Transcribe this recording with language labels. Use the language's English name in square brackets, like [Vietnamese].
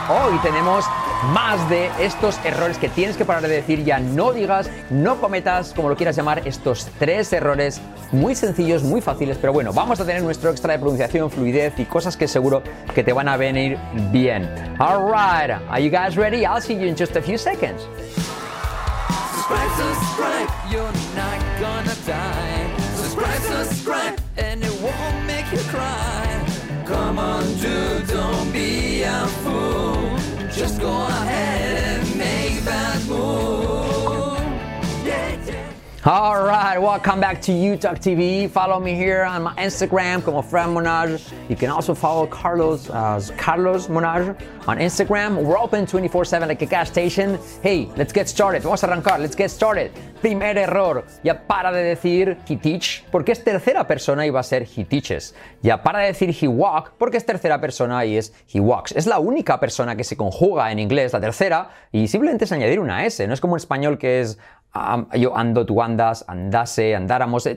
[Spanish] Hoy tenemos más de estos errores que tienes que parar de decir ya, no digas, no cometas, como lo quieras llamar, estos tres errores muy sencillos, muy fáciles, pero bueno, vamos a tener nuestro extra de pronunciación, fluidez y cosas que seguro que te van a venir bien. [English] All right, are you guys ready? I'll see you in just a few seconds. Subscribe, you're not gonna die. Subscribe, and it won't make you cry. Come on, dude, don't be a fool. Just go ahead and make that move. Yeah, yeah. All right, welcome back to UTalk TV. Follow me here on my Instagram como Fran Monaj. You can also follow Carlos as Carlos Monaj on Instagram. We're open 24/7 like a gas station. Hey, let's get started. [Spanish] Vamos a arrancar. [English] Let's get started. [Spanish] Primer error. Ya para de decir [English] he teach [Spanish] porque es tercera persona y va a ser [English] he teaches. [Spanish] Ya para de decir [English] he walk [Spanish] porque es tercera persona y es [English] he walks. [Spanish] Es la única persona que se conjuga en inglés, la tercera, y simplemente es añadir una S. No es como en español que es yo ando, tú andas, andase, andáramos.